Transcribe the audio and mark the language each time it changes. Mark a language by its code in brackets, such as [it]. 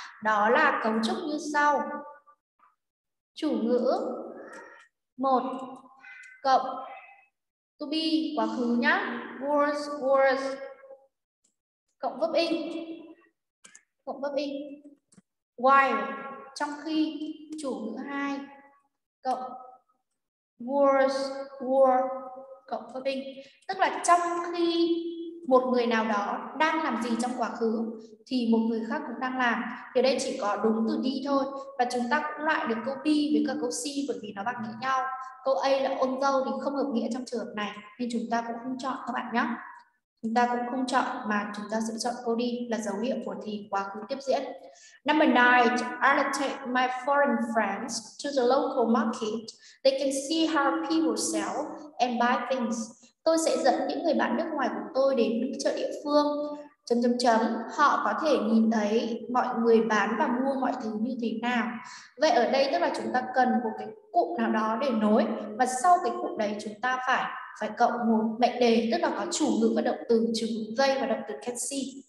[vi] Đó là cấu trúc như sau. Chủ ngữ 1 cộng to be quá khứ nhá, was cộng verb in, while, trong khi, chủ ngữ 2 cộng were cộng verb in, tức là trong khi một người nào đó đang làm gì trong quá khứ thì một người khác cũng đang làm. Thì đây chỉ có đúng từ đi thôi, và chúng ta cũng loại được câu be với cả câu see bởi vì nó bằng nghĩa nhau. Câu A là on go thì không hợp nghĩa trong trường hợp này, nên chúng ta cũng không chọn các bạn nhé. Chúng ta cũng không chọn mà chúng ta sẽ chọn câu đi là dấu hiệu của thì quá khứ tiếp diễn. [en] Number 9, I'll take my foreign friends to the local market. They can see how people sell and buy things. [vi] Tôi sẽ dẫn những người bạn nước ngoài của tôi đến chợ địa phương. Họ có thể nhìn thấy mọi người bán và mua mọi thứ như thế nào. Vậy ở đây tức là chúng ta cần một cái cụm nào đó để nối, và sau cái cụm đấy chúng ta phải cộng một mệnh đề, tức là có chủ ngữ và động từ, chủ ngữ they và động từ can see.